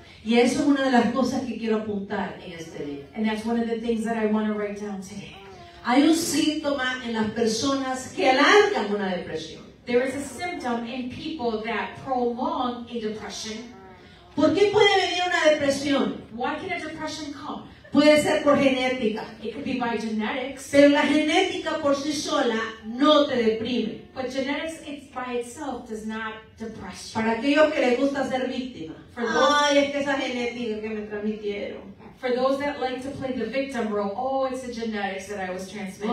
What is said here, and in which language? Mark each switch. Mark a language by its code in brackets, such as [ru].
[es] Y eso es una de las cosas que quiero apuntar en este día. [en] And that's one of the things that I want to write down today. [es] Hay un síntoma en las personas que alargan una depresión. [en] There is a symptom in people that prolong a depression. [es] ¿Por qué puede venir una depresión? [en] Why can a depression come? [es] Puede ser por genética. [en] It could be by genetics. [es] Pero la genética por sí sola no te deprime. [en] But genetics it's by itself does not depress you. [es] Para aquellos que les gusta ser víctima. [en] For those, [es] ay, es que esa genética que me transmitieron. [en] For those that like to play the victim role, oh, it's the genetics that I was transmitted.